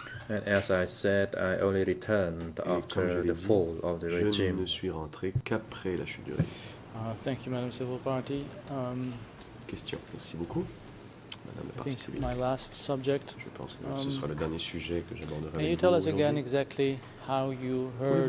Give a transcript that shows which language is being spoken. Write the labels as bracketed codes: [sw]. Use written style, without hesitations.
[en] And as I said, I only returned after the fall of the regime. [fr] Je ne suis rentré qu'après la chute du régime. [en] Thank you, Madame Civil Party. [fr] Question. Merci beaucoup, Madame la Partie Civile. [en] My last subject. [fr] Je pense que ce sera le dernier sujet que j'aborderai. [en] Can you tell us again exactly how you heard?